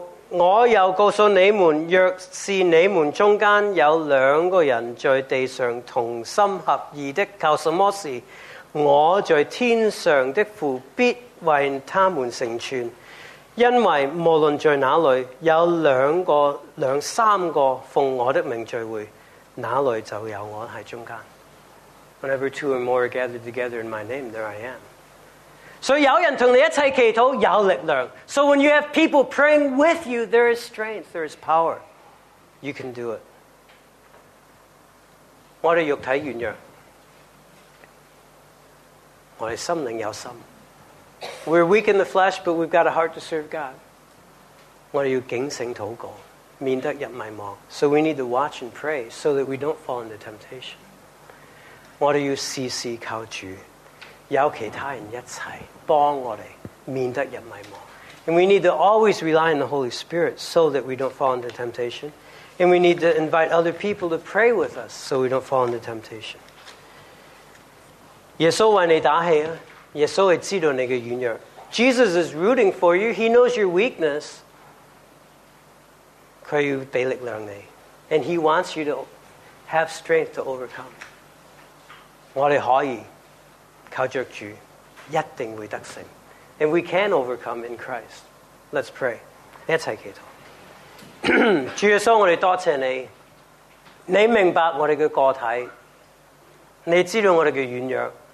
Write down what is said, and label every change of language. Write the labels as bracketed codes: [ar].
[zh] 我又告诉你们，若是你们中间有两个人在地上同心合意的求什么事，我在天上的父必为他们成全，因为无论在哪里有两个、两三个奉我的名聚会，哪里就有我在中间。 [en] Whenever two or more are gathered together in my name, there I am. [zh] 所以有人同你一起祈祷有力量。 [en] So when you have people praying with you, there is strength, there is power. You can do it. [zh] 我的肉体软弱，我的心灵有心。 [en] We're weak in the flesh, but we've got a heart to serve God. [zh] 我们要警醒祷告，免得入迷惘。 [en] So we need to watch and pray so that we don't fall into temptation. [zh] 我们要时时靠主，有其他人一起帮我们，免得入迷惘。 [en] And we need to always rely on the Holy Spirit so that we don't fall into temptation. And we need to invite other people to pray with us so we don't fall into temptation. [zh] 耶稣为你打气，耶稣会知道你的软弱。 [en] Jesus is rooting for you. He knows your weakness. And he wants you to have strength to overcome. [zh] 我们可以靠着主，一定会得胜。 [en] And we can overcome in Christ. Let's pray. [zh] 一起祈祷。主耶稣，我们多谢你。你明白我们的个体。你知道我们的软弱。